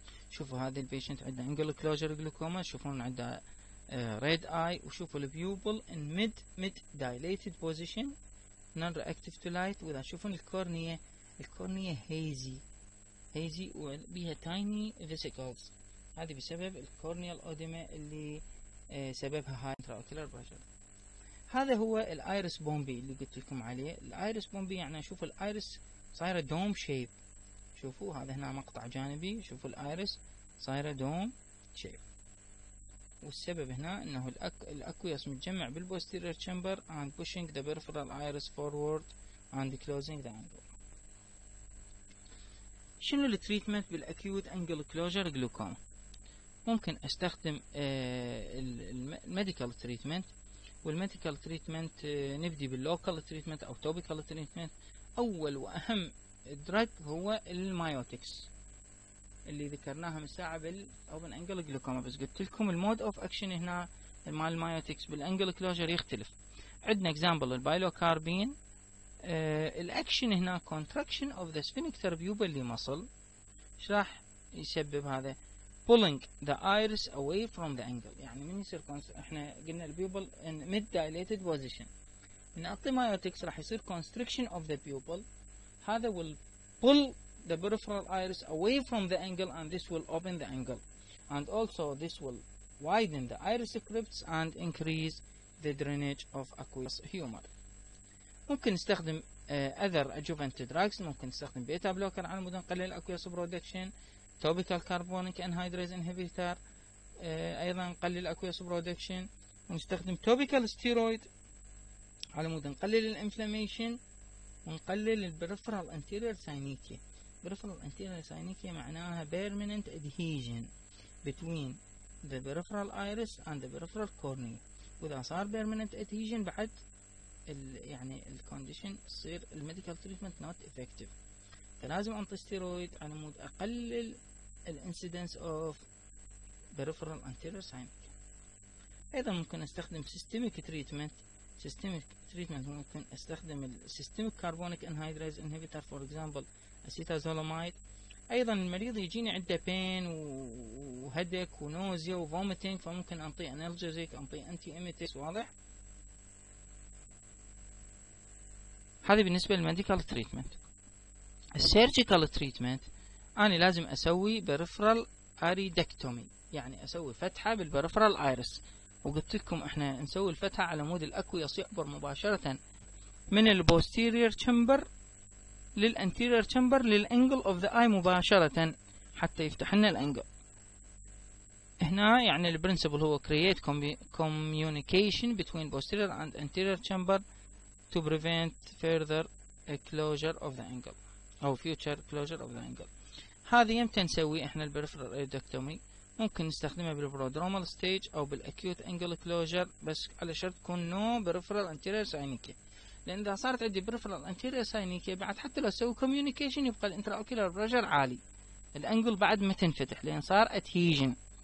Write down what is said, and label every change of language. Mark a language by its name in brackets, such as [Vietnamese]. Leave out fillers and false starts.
[Arabic] شوفوا هذا [English] البيشنت [Arabic] عنده [English] angle closure glaucoma, [Arabic] شوفون عنده [English] red eye, [Arabic] وشوفوا [English] البيوبل in mid dilated position non reactive to light, [Arabic] واذا تشوفون [English] الكورنيه الكورنيه هيزي [Arabic] وبيها [English] tiny vesicles, [Arabic] هذه بسبب [English] الكورنيال اوديما [Arabic] اللي سببها [English] High intraocular pressure. [Arabic] هذا هو الايريس بومبي اللي قلت لكم عليه. الايريس بومبي يعني اشوف الايريس صايرة دوم شيب. شوفوا هذا هنا مقطع جانبي، شوفوا الايرس صايرة دوم شيب. والسبب هنا انه الاكويس متجمع بالبوستيرير [English] Chamber and pushing the peripheral iris forward and closing the angle. [Arabic] شنو التريتمنت بالاكيوت انجل كلوجر جلوكوما؟ ممكن استخدم الميديكال تريتمنت، والميديكال تريتمنت نبدي باللوكال تريتمنت او توبيكال تريتمنت. اول واهم دراج هو المايوتكس اللي ذكرناها من ساعه بالاوبن انجل جلوكوما، بس قلت لكم المود اوف اكشن هنا مال المايوتكس بالانجل كلوجر يختلف. عندنا [English] example البايلوكاربين، [Arabic] الاكشن هنا [English] Contraction of the sphincter pupillae muscle. [Arabic] ايش راح يسبب هذا؟ [English] pulling the iris away from the angle. [Arabic] يعني من يصير احنا قلنا البيوبل [English] in mid dilated position، [Arabic] من اعطي مايوتكس راح يصير [English] constriction of the pupil. [Arabic] هذا [English] will pull the peripheral iris away from the angle and this will open the angle and also this will widen the iris crypts and increase the drainage of aqueous humor. [Arabic] ممكن نستخدم [English] other adjuvant drugs، [Arabic] ممكن نستخدم بيتا بلوكر على مدى نقلل aqueous production، [English] topical carbonic anhydrase inhibitor [Arabic] ايضا نقلل [English] aqueous production، [Arabic] ونستخدم topical steroid على مود نقلل الانفلاميشن ونقلل البريفرال انتيرير ساينيكيا. [English] البريفرال anterior synechiae [Arabic] معناها [English] Permanent adhesion between the peripheral iris and the peripheral cornea. [Arabic] واذا صار بيرمننت ادهيجن بعد يعني الكونديشن تصير الميديكال تريتمنت نوت افكتيف، فلازم انطي ستيرويد على مود اقلل الانسيدنس اوف بريفرال انتيرير ساينيكيا. ايضا ممكن استخدم سيستميك تريتمنت. [English] Systemic treatment [Arabic] ممكن استخدم [English] systemic carbonic anhydrase inhibitor for example acetazolamide. [Arabic] ايضا المريض يجيني عنده pain وهدك ونوزيا وvomiting، فممكن انطي analgesic انطي anti-emetics. واضح؟ هذه بالنسبة للميديكال treatment. السيرجيكال treatment انا لازم اسوي [English] peripheral iridectomy، [Arabic] يعني اسوي فتحة بالperipheral iris. وقلت لكم احنا نسوي الفتحة على مود الاكويس يعبر مباشرة من البوستيرير تشامبر للانتيرير تشامبر للانجل [English] of the eye [Arabic] مباشرة حتى يفتح لنا الانجل. هنا يعني البرنسبل هو [English] create communication between posterior and anterior chamber to prevent further closure of the angle [Arabic] او [English] future closure of the angle. [Arabic] هذه يمتى نسوي احنا البريفرال ايريدكتومي؟ ممكن نستخدمها بالبرودرومال ستيج او بالاكيوت انجل كلوجر، بس على شرط تكون نو بريفرال انتيرير ساينيكيا. لان اذا صارت عندي بريفرال انتيرير ساينيكيا بعد حتى لو اسوي كوميونيكيشن يبقى الانترا اوكيلر بريشر عالي، الانجل بعد ما تنفتح لان صار ادهيجن.